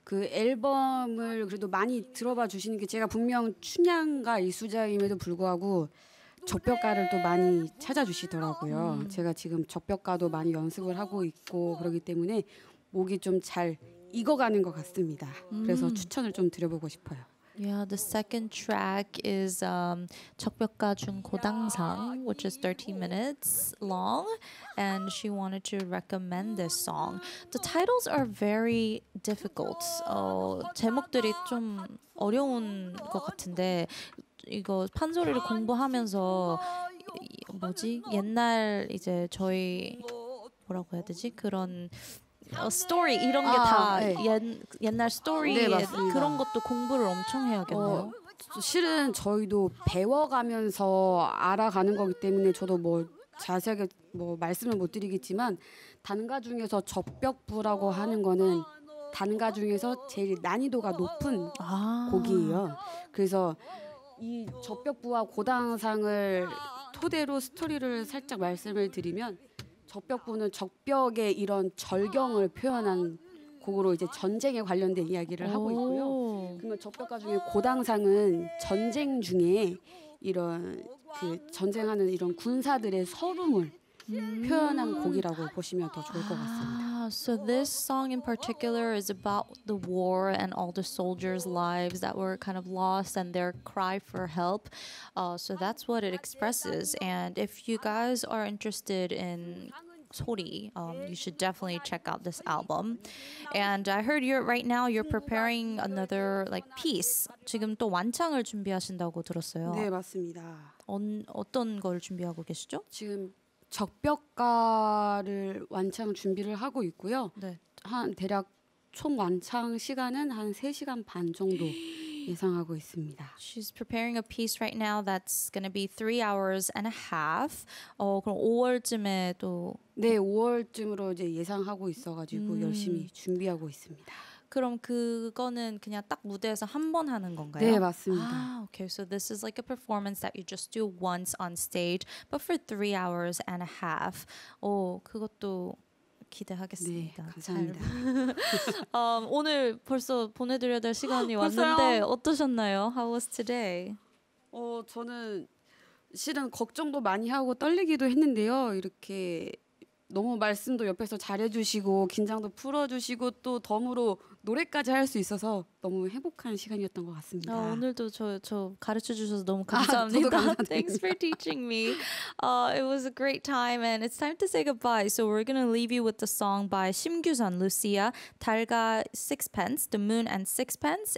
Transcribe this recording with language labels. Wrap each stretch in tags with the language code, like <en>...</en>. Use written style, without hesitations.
<ko>그 앨범을 그래도 많이 들어봐 주시는 게 제가 분명 춘향가 이수자임에도 불구하고 적벽가를 또 많이 찾아주시더라고요. 제가 지금 적벽가도 많이 연습을 하고 있고 그러기 때문에 목이 좀 잘 익어가는 것 같습니다. 그래서 추천을 좀 드려보고 싶어요.</ko> <en>Yeah, the second track is 적벽가 중 고당상, which is 13 minutes long, and she wanted to recommend this song. The titles are very difficult.</en> <ko>제목들이 좀 어려운 것 같은데 이거 판소리를 공부하면서 뭐지? 옛날 이제 저희 뭐라고 해야 되지? 그런 스토리 이런 게 다 옛날 스토리 네, 그런 것도 공부를 엄청 해야겠네요. 실은 저희도 배워가면서 알아가는 거기 때문에 저도 뭐 자세하게 뭐 말씀을 못 드리겠지만 단가 중에서 접벽부라고 하는 거는 단가 중에서 제일 난이도가 높은 곡이에요. 그래서 이 접벽부와 고당상을 토대로 스토리를 살짝 말씀을 드리면 적벽부는 적벽의 이런 절경을 표현한 곡으로 이제 전쟁에 관련된 이야기를 하고 있고요. 그러면 적벽가 중에 고당상은 전쟁 중에 이런 그 전쟁하는 이런 군사들의 서름을 표현한 곡이라고 보시면 더 좋을 것 같습니다.</ko> <en>So this song in particular is about the war and all the soldiers' lives that were kind of lost and their cry for help. So that's what it expresses. And if you guys are interested in 소리, you should definitely check out this album. And I heard you're right now you're preparing another like piece.</en> <ko>지금 또 완창을 준비하신다고 들었어요. 네, 맞습니다. 어떤 걸 준비하고 계시죠? 지금 적벽가를 완창 준비를 하고 있고요. 네. 한 대략 총 완창 시간은 한 3시간 반 정도 예상하고 있습니다.</ko> <en>She's preparing a piece right now that's going to be 3 hours and a half.</en> <ko>그럼 5월쯤에도 네, 5월쯤으로 이제 예상하고 있어 가지고 열심히 준비하고 있습니다. 그럼 그거는 그냥 딱 무대에서 한 번 하는 건가요? 네, 맞습니다.</ko> <en>아, okay. So this is like a performance that you just do once on stage, but for 3 hours and a half.</en> <ko>오, 그것도 기대하겠습니다. 네, 감사합니다. 오늘 벌써 보내드려야 될 시간이 왔는데 어떠셨나요?</ko> <en>How was today?</en> <ko>저는 실은 걱정도 많이 하고 떨리기도 했는데요. 이렇게 너무 말씀도 옆에서 잘해주시고 긴장도 풀어주시고 또 덤으로 노래까지 할 수 있어서 너무 행복한 시간이었던 것 같습니다. 오늘도 저 가르쳐주셔서 너무 감사합니다. 감사합니다.</ko> <en>Thanks for teaching me. It was a great time and it's time to say goodbye. So we're going to leave you with the song by 심규선, Lucia, 달과 Sixpence, The Moon and Sixpence.</en>